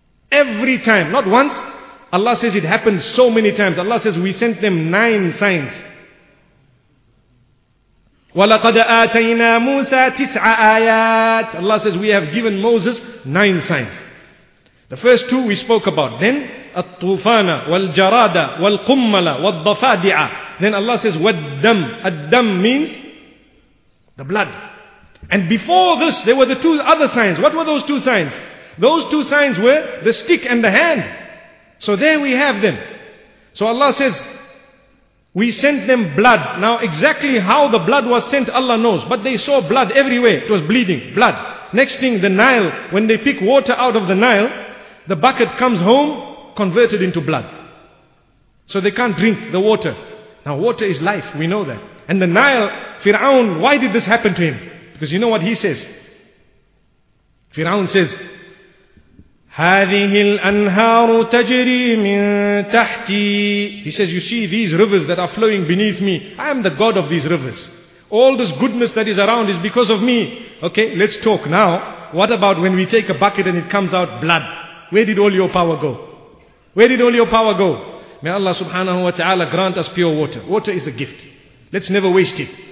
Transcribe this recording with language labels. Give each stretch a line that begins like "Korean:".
English: Every time, not once. Allah says it happened so many times. Allah says we sent them 9 signs.
Arabic: وَلَقَدْ آتَيْنَا مُوسَى 9 آيَاتٍ.
English: Allah says we have given Moses 9 signs. The first 2 we spoke about. Then
Arabic: الطوفانَ والجرادَ والقُمَّلَ والضفادِعَ.
English: Then Allah says وَالدَّمْ. الدَّمْ means the blood. And before this there were the 2 other signs. What were those 2 signs? Those 2 signs were the stick and the hand. So there we have them. So Allah says, we sent them blood. Now exactly how the blood was sent, Allah knows. But they saw blood everywhere. It was bleeding. Blood. Next thing, the Nile. When they pick water out of the Nile, the bucket comes home, converted into blood. So they can't drink the water. Now water is life. We know that. And the Nile, Fir'aun, why did this happen to him? Because you know what he says? Fir'aun says,
Arabic: هذه الأنهار تجري من تحتي.
English: He says, you see these rivers that are flowing beneath me. I am the God of these rivers. All this goodness that is around is because of me. Okay, let's talk now. What about when we take a bucket and it comes out blood? Where did all your power go? Where did all your power go? May Allah subhanahu wa ta'ala grant us pure water. Water is a gift. Let's never waste it.